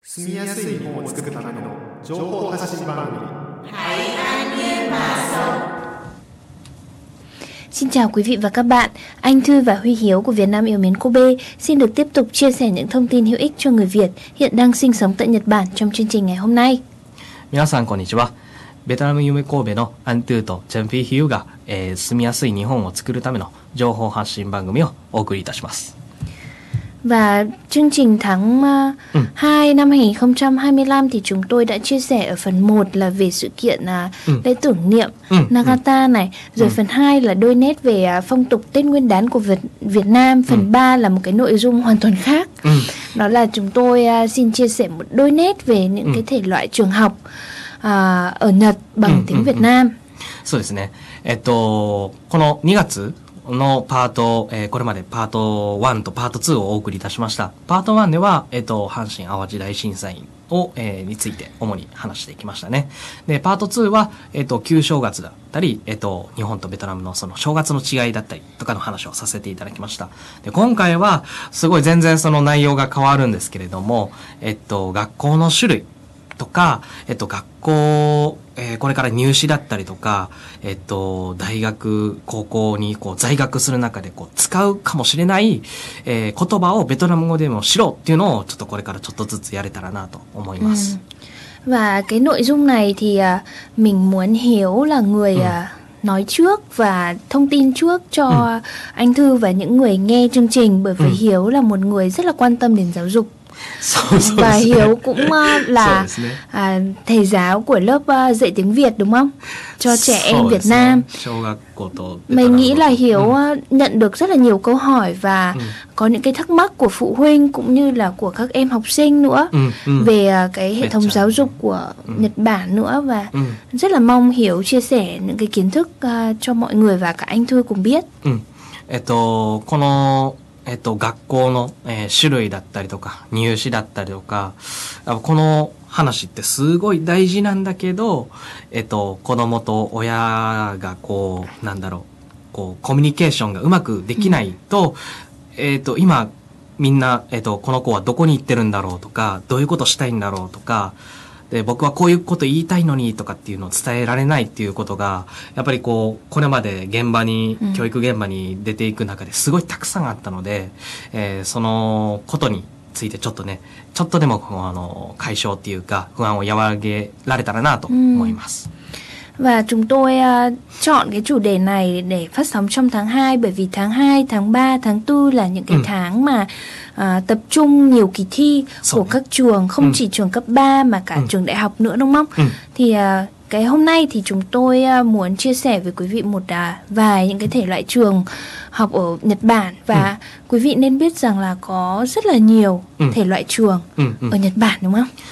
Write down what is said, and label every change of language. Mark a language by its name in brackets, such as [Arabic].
[Japanese] 住みやすい日本を作るための情報発信番組台湾ニューマーソン。 [Vietnamese] Xin chào quý vị và các bạn, anh Thư và Huy Hiếu của Việt Nam yêu mến Kobe xin được tiếp tục chia sẻ những thông tin hữu ích cho người Việt hiện đang sinh sống tại Nhật Bản trong chương trình ngày hôm nay. [Japanese] 皆さんこんにちは。ベトナム夢神戸のアントゥーとチェンフィヒューが、住みやすい日本を作るための情報発信番組をお送りいたします。 [Vietnamese] Và chương trình tháng 2 năm 2025 thì chúng tôi đã chia sẻ ở phần 1 là về sự kiện lễ tưởng niệm Nagata này. Rồi phần 2 là đôi nét về phong tục Tết Nguyên đán của Việt Nam. Phần 3 là một cái nội dung hoàn toàn khác. Đó là chúng tôi xin chia sẻ một đôi nét về những cái thể loại trường học ở Nhật bằng tiếng Việt Nam. [Japanese] そうですね。この2月のパート、これまでパート1とパート2をお送りいたしました。パート1では、阪神淡路大震災を、について主に話していきましたね。で、パート2は、旧正月だったり、日本とベトナムのその正月の違いだったりとかの話をさせていただきました。で、今回は、すごい全然その内容が変わるんですけれども、学校の種類とか、学校、これから入試だったりとか、大学、高校にこう在学する中でこう使うかもしれない、言葉をベトナム語でも知ろうっていうのをちょっとこれからちょっとずつやれたらなと思います。 [Vietnamese] Và cái nội dung này thì mình muốn hiểu là người nói trước và thông tin trước cho anh Thư và những người nghe chương trình bởi vì Hiếu là một người rất là quan tâm đến giáo dục. Và Hiếu cũng là thầy giáo của lớp dạy tiếng Việt đúng không? Cho trẻ em Việt Nam. Mình nghĩ là Hiếu nhận được rất là nhiều câu hỏi và có những cái thắc mắc của phụ huynh cũng như là của các em học sinh nữa về cái hệ thống giáo dục của Nhật Bản nữa và rất là mong Hiếu chia sẻ những cái kiến thức cho mọi người và cả anh Thư cùng biết. [Japanese] この学校の、種類だったりとか入試だったりとかこの話ってすごい大事なんだけど、子どもと親がこうなんだろうこうコミュニケーションがうまくできない と、今みんな、この子はどこに行ってるんだろうとかどういうことしたいんだろうとかで僕はこういうこと言いたいのにとかっていうのを伝えられないっていうことがやっぱりこうこれまで現場に教育現場に出ていく中ですごいたくさんあったので、そのことについてちょっとねちょっとでもこうあの解消っていうか不安を和らげられたらなと思います。 [Vietnamese] Và chúng tôi chọn cái chủ đề này để phát sóng trong tháng 2 bởi vì tháng 2, tháng 3, tháng 4 là những cái tháng mà tập trung nhiều kỳ thi của các trường, không chỉ trường cấp 3 mà cả trường đại học nữa đúng không? Thì cái hôm nay thì chúng tôi muốn chia sẻ với quý vị một vài những cái thể loại trường học ở Nhật Bản và quý vị nên biết rằng là có rất là nhiều thể loại trường ở Nhật Bản đúng không?